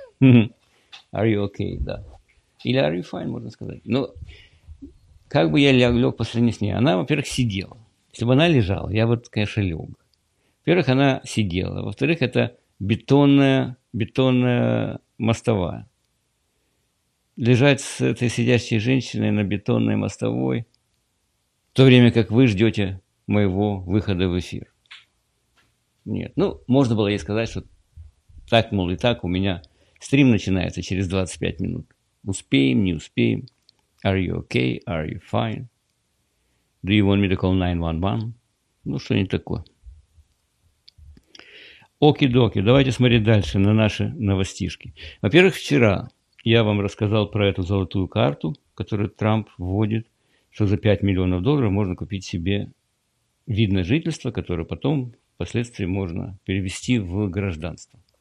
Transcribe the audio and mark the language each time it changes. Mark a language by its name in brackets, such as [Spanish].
[English] Are you okay, [Russian] да. Или [English] are you fine, [Russian] можно сказать. Ну, как бы я лег по сравнению с ней? Она, во-первых, сидела. Если бы она лежала, я вот, конечно, лег. Во-первых, она сидела. Во-вторых, это бетонная мостовая. Лежать с этой сидящей женщиной на бетонной мостовой, в то время как вы ждете моего выхода в эфир. Нет. Ну, можно было ей сказать, что так, мол, и так у меня стрим начинается через 25 минут. Успеем, не успеем. [English] Are you okay? Are you fine? Do you want me to call 911? [Russian] Ну, что-нибудь такое. Оки-доки, давайте смотреть дальше на наши новостишки. Во-первых, вчера я вам рассказал про эту золотую карту, которую Трамп вводит, что за 5 миллионов долларов можно купить себе вид на жительство, которое потом, впоследствии, можно перевести в гражданство.